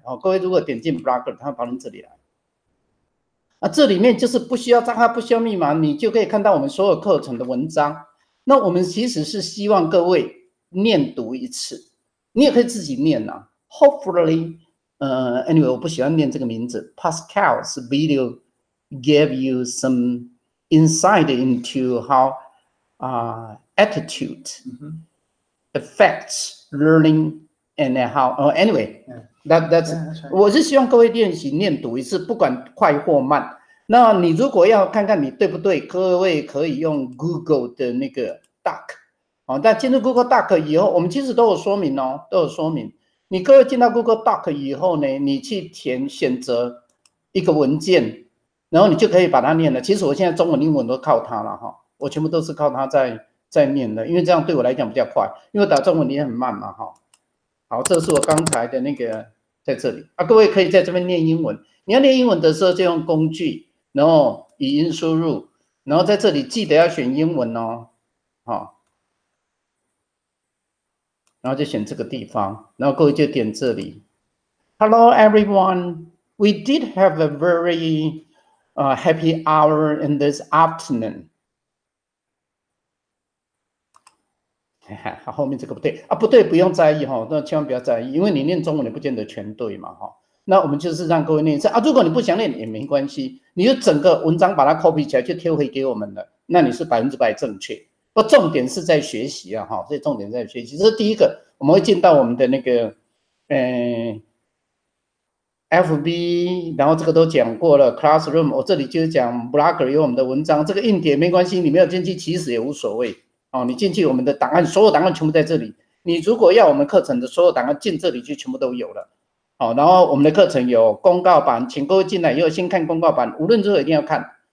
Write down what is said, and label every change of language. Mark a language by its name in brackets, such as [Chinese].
[Chinese] 哦，各位如果点进 Blogger， 它会跑到这里来。啊，这里面就是不需要账号，不需要密码，你就可以看到我们所有课程的文章。那我们其实是希望各位念读一次，你也可以自己念呐。 [English] Hopefully， anyway， [Chinese] 我不喜欢念这个名字。 [English] Pascal's video gave you some。 Insight into how attitude mm-hmm. affects learning and how. Anyway, yeah. That's. Yeah, that's right. [Chinese] 我是希望各位练习念读一次，不管快或慢。那你如果要看看你对不对，各位可以用 Google 的那个 Doc。哦，但进入 Google Doc 以后，我们其实都有说明哦，都有说明。你各位进到 Google Doc 以后呢，你去填选择一个文件。然后你就可以把它念了。其实我现在中文、英文都靠它了哈，我全部都是靠它在念的，因为这样对我来讲比较快，因为打中文也很慢嘛哈。好，这是我刚才的那个在这里啊，各位可以在这边念英文。你要念英文的时候就用工具，然后语音输入，然后在这里记得要选英文哦，好，然后就选这个地方，然后各位就点这里。 [English] Hello everyone, we did have a very happy hour in this afternoon. [Chinese] 后面这个不对啊，不对，不用在意哈，那千万不要在意，因为你念中文你不见得全对嘛哈。那我们就是让各位念一次啊，如果你不想念也没关系，你就整个文章把它 copy 起来就贴回给我们了，那你是100%正确。不，重点是在学习啊哈，所以重点在学习，这是第一个，我们会进到我们的那个FB， 然后这个都讲过了 ，Classroom， 我这里就讲 Blogger 有我们的文章，这个硬碟没关系，你没有进去其实也无所谓哦，你进去我们的档案，所有档案全部在这里，你如果要我们课程的所有档案进这里就全部都有了，哦，然后我们的课程有公告版，请各位进来以后先看公告版，无论如何一定要看。